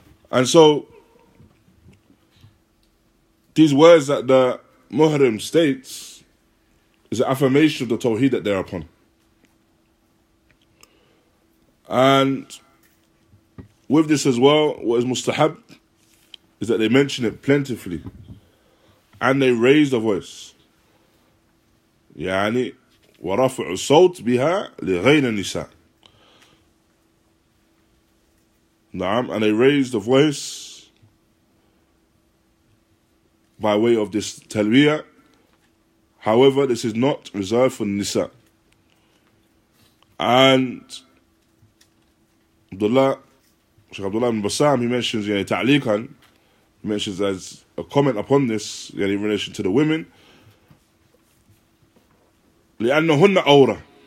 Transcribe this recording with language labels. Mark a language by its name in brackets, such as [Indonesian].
[English] And so, these words that the Muhrim states is an affirmation of the Tawheed that they're upon. And with this as well, what is mustahab is that they mention it plentifully and they raise the voice. [Arabic] يعني ورفع الصوت بها لغير النساء. نعم, [English] and they raise the voice by way of this talbiya. However, this is not reserved for Nisa. And Sheikh Abdullah Bassaam, he mentions, [Arabic] يعني تعليقا, [English] he mentions as a comment upon this, [Arabic] يعني [English] in relation to the women, [Arabic] لأنهن أورا.